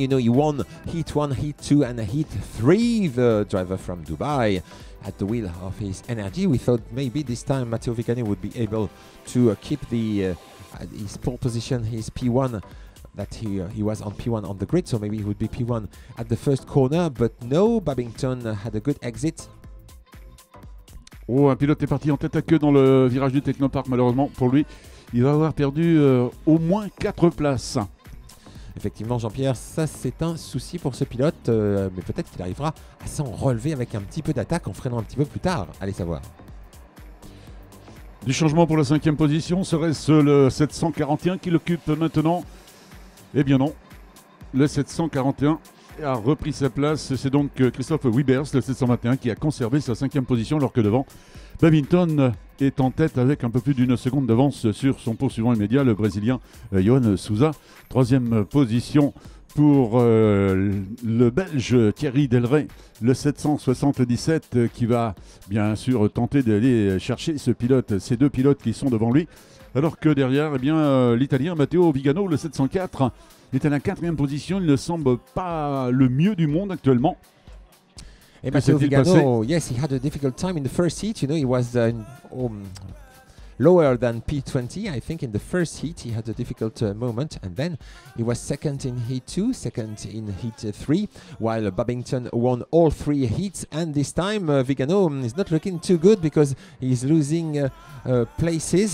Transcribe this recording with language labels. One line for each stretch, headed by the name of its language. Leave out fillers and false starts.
English: You know, he won heat 1, heat 2 and heat 3, the driver from Dubai, at the wheel of his energy. We thought maybe this time Matteo Vigano would be able to keep the... his pole position, his P1, that he was on P1 on the grid, so maybe he would be P1 at the first corner, but no, Babington had a good exit.
French: Oh, un pilote est parti en tête à queue dans le virage du Technopark, malheureusement pour lui, il va avoir perdu au moins 4 places. Effectivement, Jean-Pierre, ça c'est un souci pour ce pilote, mais peut-être qu'il arrivera à s'en relever avec un petit peu d'attaque en freinant un petit peu plus tard, allez savoir. Du changement pour la cinquième position, serait-ce le 741 qui l'occupe maintenant? Eh bien non, le 741 a repris sa place. C'est donc Christophe Wiebers, le 721, qui a conservé sa cinquième position, alors que devant, Babington est en tête avec un peu plus d'une seconde d'avance sur son poursuivant immédiat, le Brésilien Johan Souza. Troisième position pour le Belge Thierry Delray, le 777, qui va bien sûr tenter d'aller chercher ce pilote, ces deux pilotes qui sont devant lui. Alors que derrière, eh bien, l'Italien Matteo Vigano, le 704, est à la quatrième position. Il ne semble pas le mieux du monde actuellement. Et
English: Matteo Vigano, yes, he had a difficult time in the first heat. You know, he was lower than P20, I think, in the first heat. He had a difficult moment, and then he was second in heat 2, second in heat 3, while Babington won all three heats. And this time, Vigano is not looking too good, because he's losing places.